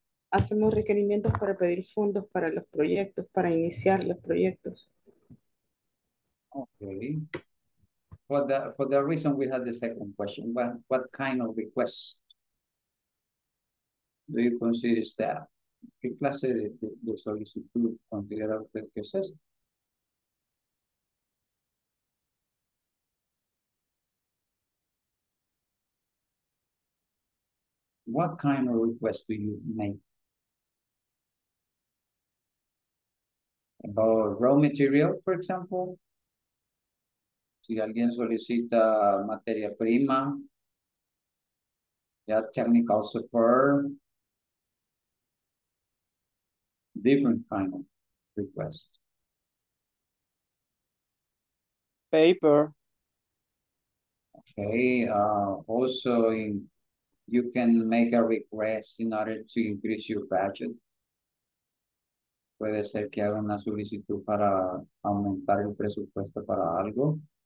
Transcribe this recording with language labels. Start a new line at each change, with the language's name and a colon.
Spanish: Hacemos requerimientos para pedir fondos para los proyectos, para iniciar los proyectos.
English: Okay. For that reason, we had the second question. What kind of request do you consider that?
Spanish: ¿Qué clase de solicitud considera usted que es esa?
English: What kind of request do you make? About raw material, for example?
Spanish: Si alguien solicita materia prima, ya
English: technical support, different kind of request. Paper. Okay, also you can make a request in order to increase your budget.
Spanish: Puede ser que haga una solicitud para aumentar el presupuesto para algo.